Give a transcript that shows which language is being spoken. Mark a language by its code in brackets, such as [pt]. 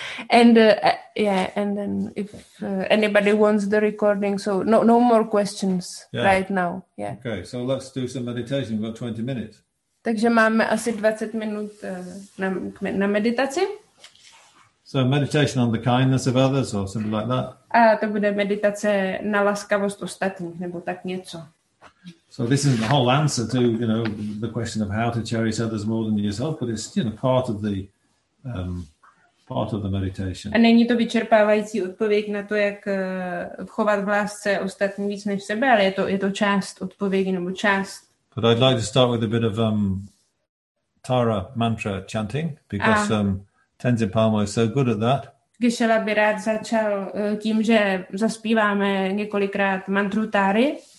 [en] and then if anybody wants the recording, so no more questions right now. Yeah. Okay, so let's do some meditation. We've got 20 minutes. [cs] Takže máme asi 20 minut na meditaci. [en] So meditation on the kindness of others or something like that. [cs] A to bude meditace na laskavost ostatních nebo tak něco. [en] So this is the whole answer to, you know, the question of how to cherish others more than yourself, but it's, you know, part of the meditation. [cs] A není to vyčerpávající odpověď na to, jak chovat v lásce ostatní víc než sebe, ale je to část odpovědi nebo část. [en] But I'd like to start with a bit of Tara mantra chanting, because Tenzin Palmo is so good at that. [cs] Geshe-la by rád začal tím, že zaspíváme několikrát mantru Tary.